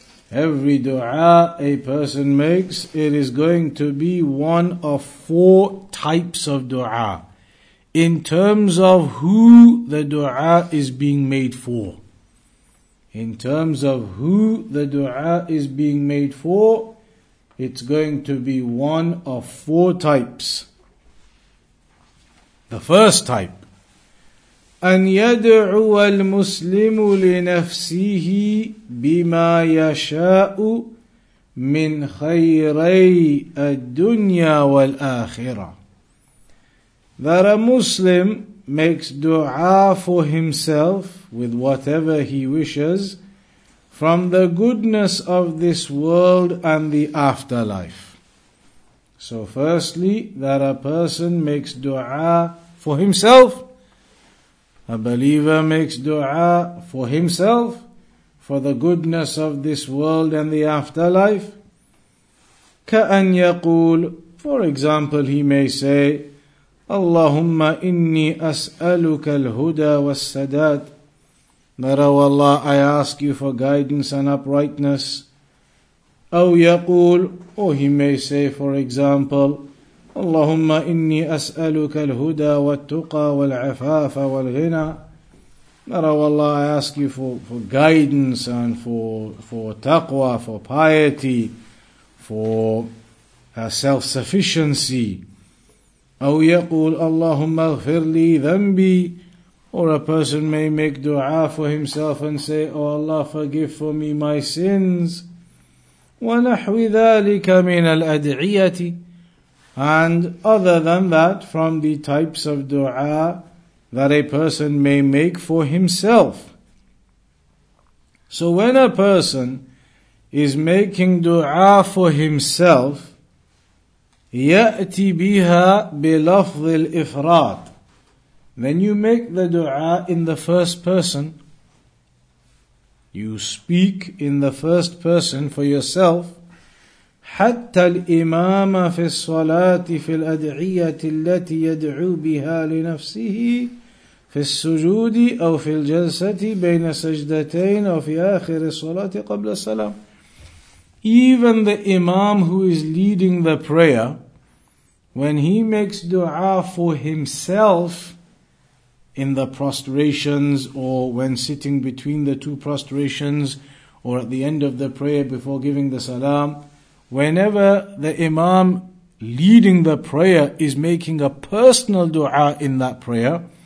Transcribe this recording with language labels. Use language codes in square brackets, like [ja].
[en] Every dua a person makes, it is going to be one of four types of dua, in terms of who the dua is being made for. In terms of who the dua is being made for, it's going to be one of four types. The first type, [ar] أن يدعو المسلم لنفسه بما يشاء من خيري الدنيا والآخرة. [en] That a Muslim makes dua for himself with whatever he wishes from the goodness of this world and the afterlife. So firstly, that a person makes dua for himself. A believer makes dua for himself, for the goodness of this world and the afterlife. [ar] كَأَنْ يَقُولُ. [en] For example, he may say, [ar] اللَّهُمَّ إِنِّي أَسْأَلُكَ الْهُدَى وَالسَّدَادِ. [en] That, O Allah, I ask you for guidance and uprightness. [ar] أَوْ يَقُولُ. [en] Or he may say, for example, [ar] اللهم إني أسألك الهدى والتقى والعفاف والغنى. [en] That, oh Allah, I ask you for guidance and for taqwa, for piety, for self-sufficiency. [ar] أو يقول اللهم اغفر لي ذنبي. [en] Or a person may make dua for himself and say, oh Allah, forgive for me my sins. [ar] ونحو ذلك من الأدعية. [en] And other than that, from the types of dua that a person may make for himself. So when a person is making dua for himself, [ar] يَأْتِ بِهَا بِلَفْظِ الْإِفْرَاطِ. [en] Then you make the dua in the first person. You speak in the first person for yourself. [ar] حتى الإمام في الصلاة في الأدعية التي يدعو بها لنفسه في السجود أو في الجلسة بين سجدتين أو في آخر الصلاة قبل السلام. [en] Even the Imam who is leading the prayer, when he makes dua for himself in the prostrations or when sitting between the two prostrations or at the end of the prayer before giving the salam, whenever the Imam leading the prayer is making a personal dua in that prayer,